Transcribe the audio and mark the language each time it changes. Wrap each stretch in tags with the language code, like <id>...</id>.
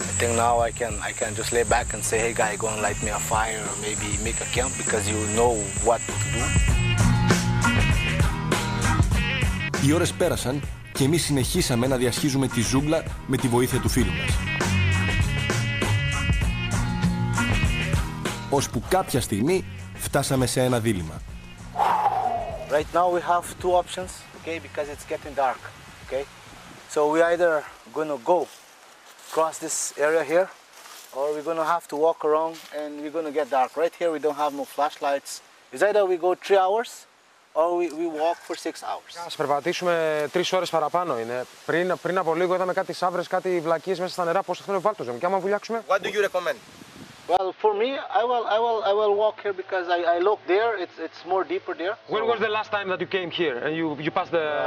<en>I think now I can just lay back and say, hey guy, go and light me a fire or maybe make a camp because you know what to do.</en> <el>Οι ώρες πέρασαν και εμείς συνεχίσαμε να διασχίζουμε τη ζούγκλα με τη βοήθεια του φίλου μας. Ώσπου κάποια στιγμή φτάσαμε σε ένα δίλημα.</el> <en>Right now we have two options, okay, because it's getting dark, okay. So we either gonna go across this area here, or we're gonna have to walk around and we're gonna get dark. Right here we don't have no flashlights. It's either we go 3 hours. Or we walk for 6 hours.</en> <el>Ας περπατήσουμε 3 ώρες παραπάνω είναι. Πριν από λίγο είδαμε κάτι σαύρες, κάτι βλακίες μέσα στα νερά. Πώς θα θέλουμε να βάλτουζουμε και άμα βουλιάξουμε.</el> <en>What do you recommend? Well, for me, I will walk here because I look there. It's more deeper there. When was the last time that you came here and you passed the</en>